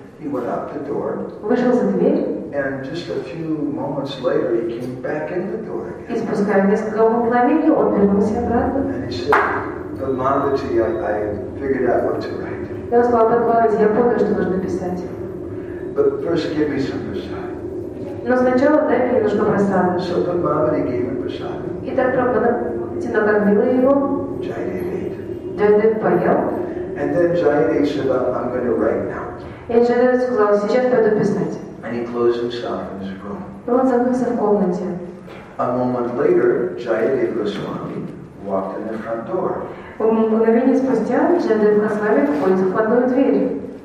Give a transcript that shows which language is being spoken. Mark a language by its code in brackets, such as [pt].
[en] He went out the door. And just a few moments later, he came back in the door again. And he said, Padmavati, I figured out what to write. But first give me some prasad. [ru] Но сначала дай мне немножко прасады. [en] So Padmavati gave him prasad. [ru] И так Прабхупада накормила его. [en] Jayadev [ru] поел. [en] And then Jayadev said, I'm going to write now. [ru] И Jayadev сказал, сейчас пойду писать. [en] And he closed himself in his room. [ru] И он закрылся в комнате. [en] A moment later, Jayadev Goswami walked in the front door. [ru] Мгновение спустя Jayadev Goswami входит в входную дверь.